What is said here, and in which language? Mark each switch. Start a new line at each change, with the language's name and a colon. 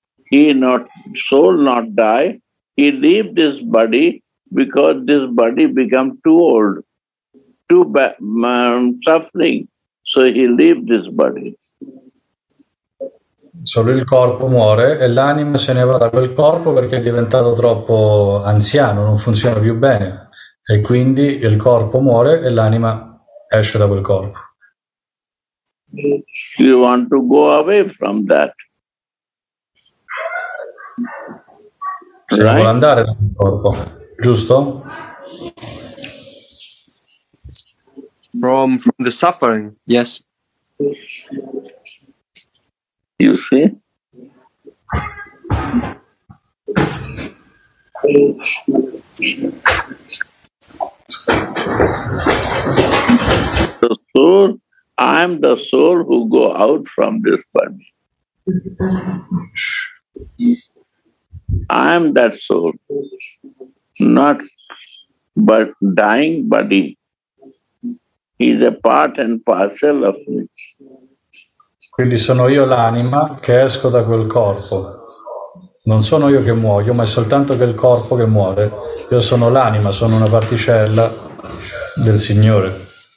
English: he not die, he leave this body because this body become too old, too bad, suffering, so he leave this body.
Italian: Solo il corpo muore e l'anima se ne va da quel corpo perché è diventato troppo anziano, non funziona più bene. E quindi il corpo muore e l'anima esce da quel corpo.
English: You want to go away from that.
Italian: Se right? Vuole andare da quel corpo, giusto?
English: From the suffering, yes. You see? The soul, I am the soul who go out from this body. I am that soul, not but dying body. He is a part and parcel of me.
Italian: Quindi sono io l'anima che esco da quel corpo. Non sono io che muoio, ma è soltanto che il corpo che muore. Io sono l'anima, sono una particella del Signore.